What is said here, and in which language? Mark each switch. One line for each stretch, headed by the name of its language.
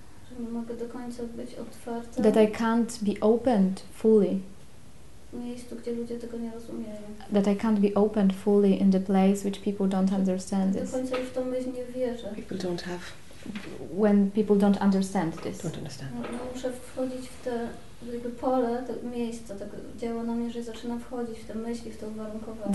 Polish: Że nie mogę do końca być otwarta.
English: That I can't be opened fully.
Polish: Miejscu, gdzie ludzie tego nie rozumieją.
English: That I can't be opened fully in the place which people don't understand this.
Polish: Do końca już w tą myśl nie wierzę.
English: People don't have... When people don't understand this. Don't understand.
Polish: No, muszę wchodzić w te... Jakby pole, to miejsce, to działa na mnie, że zaczyna wchodzić w te myśli, w to uwarunkowanie.